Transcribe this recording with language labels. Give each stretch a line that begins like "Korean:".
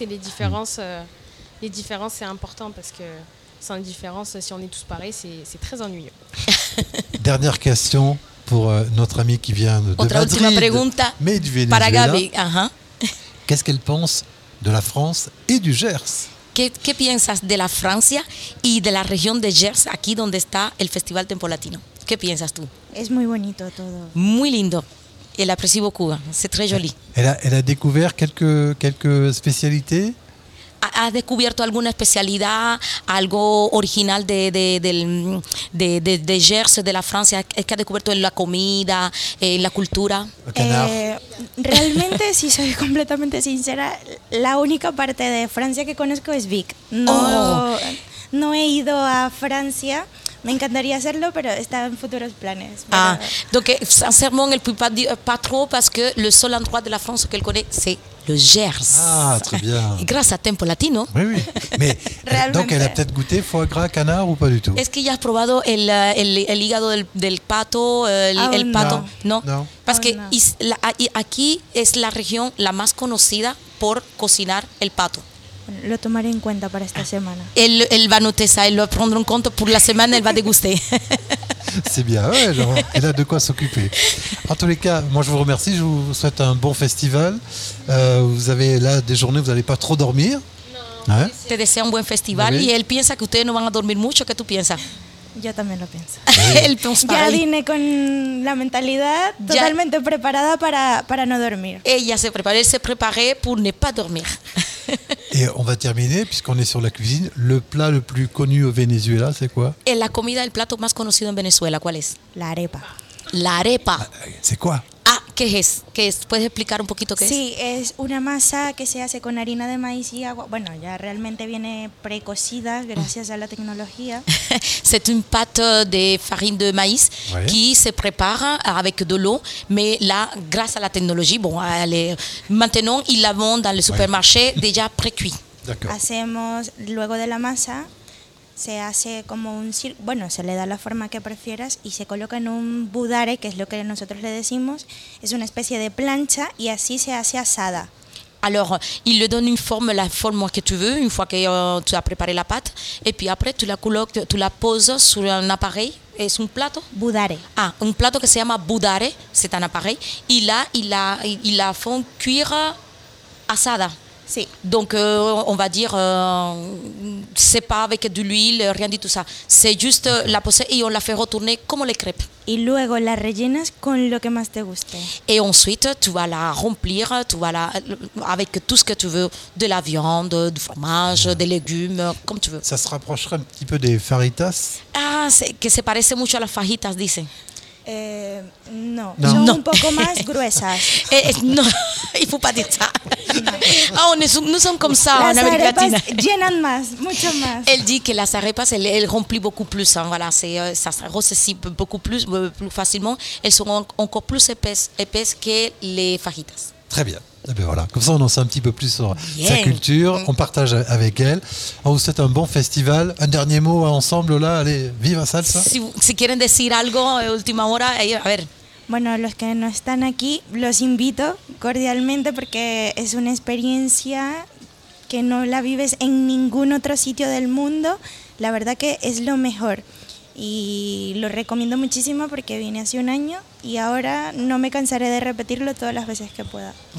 French: Et les différences, c'est important parce que sans différence, si on est tous pareils, c'est très ennuyeux. Dernière question pour notre amie qui vient de
Spanish: Otra Madrid, última pregunta
French: mais du Venezuela.
Spanish: Para Gaby. Uh-huh.
French: Qu'est-ce qu'elle pense de la France et du Gers?
Spanish: ¿Qué piensas de la Francia y de la región de Gers, aquí donde está el Festival Tempo Latino? ¿Qué piensas tú? Es muy bonito todo. Muy lindo. El aprecio Cuba. Es muy
French: joli.
Spanish: ¿Ella ha descubierto
French: quelques
Spanish: especialidades? ¿Has descubierto alguna especialidad, algo original de Gers, de la Francia? ¿Es que has descubierto en la comida, en la cultura? Realmente, si soy completamente sincera, la única parte de Francia que conozco es Vic. No, no he ido a Francia. Me encantaría hacerlo, pero está en futuros planes.
French: Ah, donc sincèrement, elle ne peut pas dire pas trop parce que le seul endroit de la France qu'elle connaît, c'est le Gers. Ah, très bien. Et grâce à Tempo Latino. Oui, oui. Mais donc elle a peut-être goûté foie gras canard ou pas du tout. Est-ce qu'il a
Spanish: probado el hígado del pato, el pato?
French: Non. Parce que ici est la région
Spanish: la más conocida por cocinar el pato. Lo tomaré en cuenta para esta semana. Él va a notar eso, él lo va a
French: prendre
Spanish: en cuenta por la semana, él va a degustar.
French: C'est bien, ouais, genre, elle a de quoi s'occuper. En tous les cas, moi je vous remercie, je vous souhaite un bon festival. Vous avez là des journées, vous n'allez pas trop dormir. Non. Hein?
Spanish: Te deseo un buen festival.
French: Oui.
Spanish: Y él piensa que ustedes no van a dormir mucho, ¿qué tú piensas? Yo también lo pienso. Él pensa. Ya vine con la mentalidad totalmente ya preparada para no dormir. Ella se prepara, él se prepara
French: pour ne pas dormir. Et on va terminer, puisqu'on est sur la cuisine. Le plat le plus connu au Venezuela, c'est quoi? Et
Spanish: la comida, el plato más conocido en Venezuela, ¿cuál es? La arepa. La arepa.
French: C'est quoi?
Spanish: Ah, ¿qué es? ¿Qué es? ¿Puedes explicar un poquito qué es? Sí, es una masa que se hace con harina de maíz y agua. Bueno, ya realmente viene precocida gracias a la tecnología.
French: C'est une pâte de farine de maïs, ouais, qui se prépare avec de l'eau, mais là, grâce à la technologie, bon, allez, maintenant, ils la vendent dans le supermarché, ouais, déjà pré-cuit. D'accord.
Spanish: Hacemos luego de la masa, se hace como un círculo, bueno, se le da la forma que prefieras y se coloca en un budare, que es lo que nosotros le decimos, es una especie de plancha y así se hace asada.
French: Alors, il le donne une forme, la forme que tu veux, une fois que tu as préparé la pâte, et puis après tu la colloques, tu la poses sur un appareil, c'est un
Spanish: plato? Budare.
French: Ah,
Spanish: un plato que se llama budare,
French: c'est un appareil, et là, il la font cuire
Spanish: asada. Sí.
French: Donc, on va dire, c'est pas avec de l'huile, rien de tout ça. C'est juste la poser et on la fait retourner comme les crêpes.
Spanish: Y luego la rellenas con lo que más te guste.
French: Et ensuite, tu vas la remplir, tu vas la, avec tout ce que tu veux, de la viande, du fromage, ouais, des légumes, comme tu veux. Ça se rapprocherait un petit peu des fajitas. Ah, c'est,
Spanish: que se parece mucho a las fajitas, dicen. No, son un poco más gruesas.
French: No, il faut pas dire ça. Ah, nous sommes comme ça
Spanish: las
French: en Amérique latine.
Spanish: Llenan más, mucho más.
French: Elle dit que
Spanish: las arepas,
French: elle remplit beaucoup plus. Hein, voilà, ça se ressécie beaucoup plus facilement. Elles sont encore plus épaisses que les fajitas. Très bien. Et bien voilà. Comme ça, on en sait un petit peu plus sur sa culture. On partage avec elle. On vous souhaite un bon festival. Un dernier mot ensemble, là. Allez,
Spanish: viva salsa. Si quieren decir algo en última hora, a ver. Bueno, los que no están aquí, los invito cordialmente porque es una experiencia que no la vives en ningún otro sitio del mundo. La verdad que es lo mejor. Y lo recomiendo muchísimo porque vine hace un año y ahora no me cansaré de repetirlo todas las veces que pueda.